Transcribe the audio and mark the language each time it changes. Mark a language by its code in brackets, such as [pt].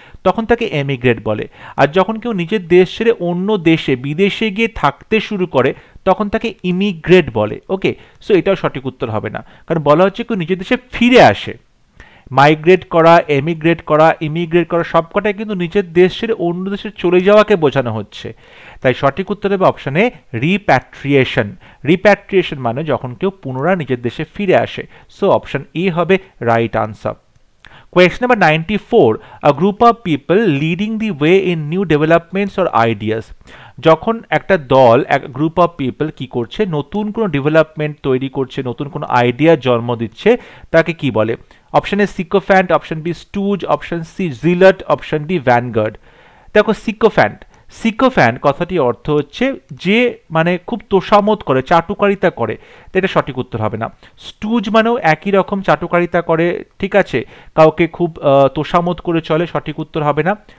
[bn] তখন তাকে এমিগ্রেট বলে আর যখন কেউ নিজের দেশ ছেড়ে অন্য দেশে বিদেশে গিয়ে থাকতে শুরু করে তখন তাকে ইমিগ্রেট বলে ওকে সো এটাও সঠিক উত্তর হবে না কারণ বলা হচ্ছে কেউ নিজের দেশে ফিরে আসে মাইগ্রেট করা এমিগ্রেট করা ইমিগ্রেট করা সবকটাই কিন্তু নিজের দেশ ছেড়ে অন্য দেশে চলে যাওয়াকে বোঝানো হচ্ছে তাই সঠিক উত্তর হবে অপশনে রিপ্যাট্রিয়েশন রিপ্যাট্রিয়েশন মানে যখন কেউ পুনরায় নিজের দেশে ফিরে আসে সো অপশন ই হবে right answer [en] Question number 94. A group of people leading the way in new developments or ideas. [bn] যখন একটা দল এক গ্রুপ অফ পিপল কী করছে নতুন কোনো ডেভেলপমেন্ট তৈরি করছে নতুন কোনো আইডিয়া জন্ম দিচ্ছে তাকে কী বলে option A সিকোফ্যান্ট option B স্টুজ option C zealot option D vanguard দেখো সিকোফ্যান্ট সিকোফ্যান্ট কথাটি অর্থ হচ্ছে যে মানে খুব তোষামোদ করে চাটুকারিতা করে এটা সঠিক উত্তর হবে না স্টুজ মানেও একই রকম চাটুকারিতা করে ঠিক আছে কাউকে খুব তোষামোদ করে চলে সঠিক উত্তর হবে না